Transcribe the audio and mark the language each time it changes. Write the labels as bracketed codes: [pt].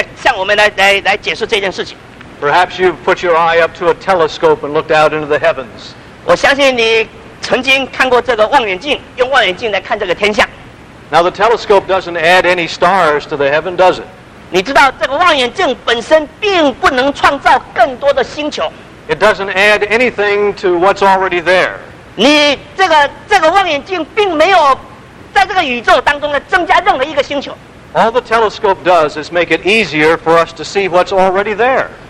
[zh] 我们有一个东西啊，可以来向我们来解释这件事情。 [en] Perhaps you've put your eye up to a telescope and looked out into the heavens. [zh] 我相信你曾经看过这个望远镜，用望远镜来看这个天象。 [en] Now the telescope doesn't add any stars to the heaven, does it? [zh] 你知道这个望远镜本身并不能创造更多的星球。 [en] It doesn't add anything to what's already there. [zh] 你这个望远镜并没有在这个宇宙当中呢增加任何一个星球。 [en] All the telescope does is make it easier for us to see what's already there.